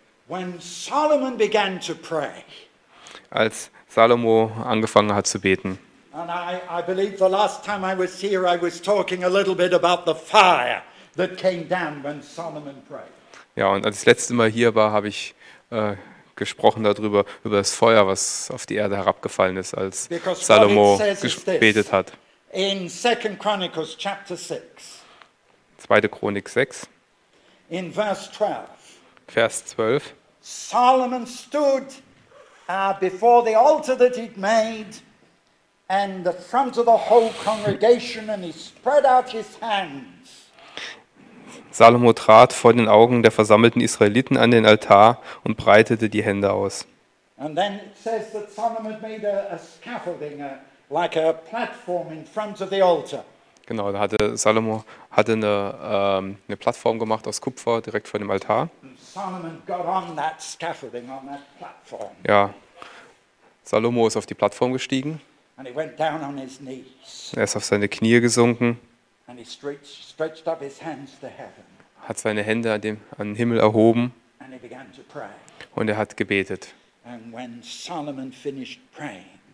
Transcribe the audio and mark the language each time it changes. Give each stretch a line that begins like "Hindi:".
English: When Solomon began to pray,
German: als Salomo angefangen hat zu beten.
English: And I believe the last time I was here, I was talking a little bit about the fire that came down when Solomon prayed.
German: Ja, und als ich das letzte Mal hier war, habe ich gesprochen darüber, über das Feuer, was auf die Erde herabgefallen ist, als Salomo gebetet hat.
English: In 2 Chronicles chapter 6.
German: 2. Chronik 6.
English: In verse 12.
German: Vers 12.
English: Solomon stood before the altar that he'd made. And the front of the whole congregation, and he spread out his hands.
German: Salomo trat vor den Augen der versammelten Israeliten an den Altar und breitete die Hände aus.
English: And then it says that Solomon made a scaffolding, like a platform in front of the altar.
German: Genau, da hatte Salomo eine Plattform gemacht aus Kupfer direkt vor dem Altar.
English: Solomon got on that scaffolding, on that platform.
German: Ja, Salomo ist auf die Plattform gestiegen.
English: And he went down on his knees.
German: Er ist auf seine Knie gesunken.
English: And he stretched up his hands to heaven.
German: Hat seine Hände an den Himmel erhoben.
English: And he began to pray.
German: Und er hat gebetet.
English: And when Solomon finished praying,